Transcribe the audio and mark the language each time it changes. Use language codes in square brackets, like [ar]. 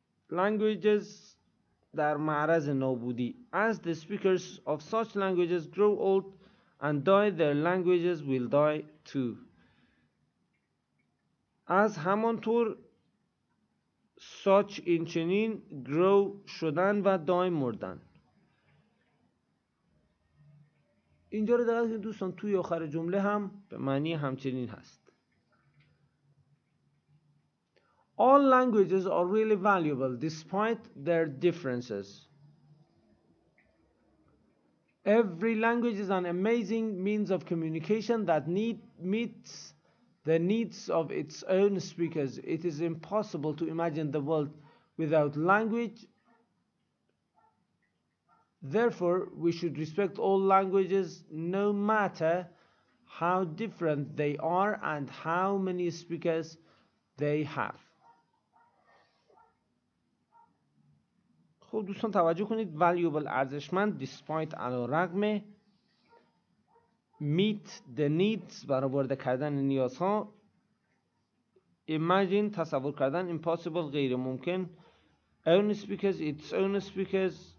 [fa] languages در معرض نابودی. [en] As the speakers of such languages grow old and die, their languages will die too. [fa] از همانطور such اینچنین grow شدن و die مردن. اینجا رو دقت کنید دوستان، توی آخر جمله هم به معنی همچنین هست. [en] All languages are really valuable despite their differences. Every language is an amazing means of communication that meets the needs of its own speakers. It is impossible to imagine the world without language. Therefore, we should respect all languages no matter how different they are and how many speakers they have. [fa] خب دوستان توجه کنید، valuable ارزشمند، despite علی‌رغم، meet the needs برآورده کردن نیازها، imagine تصور کردن، impossible غیر ممکن، own speakers its own speakers،